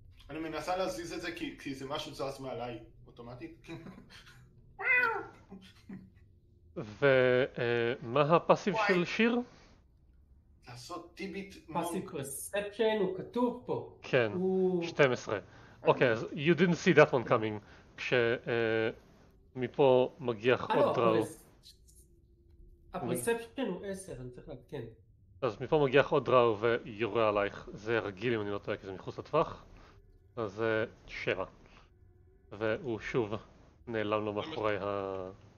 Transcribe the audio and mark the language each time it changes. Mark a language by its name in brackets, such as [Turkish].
[Hebrew] אני מנסה להזיז את זה כי זה משהו זז מעליי. אוטומטית. ומה הפאסיב של שיר? לעשות טיבית פאסיב פרספצ'ן, הוא כתוב פה. כן, 12. אוקיי, אז [English] you didn't see that one coming. [Hebrew] כשמפה מגיח עוד דראו. הפרספצ'ן הוא 10, אני צריך להתקן. אז מפה מגיח עוד דראו ויורה עלייך. זה רגיל אם אני לא טועה, כי זה מחוץ לטווח. אז זה 7. והוא שוב נעלם לו מאחורי ה...